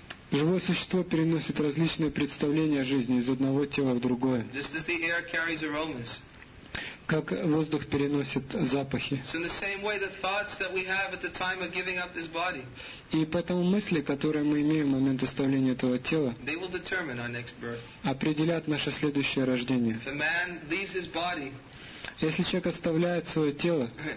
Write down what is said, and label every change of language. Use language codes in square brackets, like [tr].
[ru] Живое существо переносит различные представления о жизни из одного тела в другое. [en] Just as the air carries aromas. [ru] Как воздух переносит запахи. [en] So in the same way, the thoughts that we have at the time of giving up this body. [ru] И поэтому мысли, которые мы имеем в момент оставления этого тела, [en] they will determine our next birth. [ru] Определят наше следующее рождение. [en] If a man leaves his body, [ru] если человек оставляет свое тело,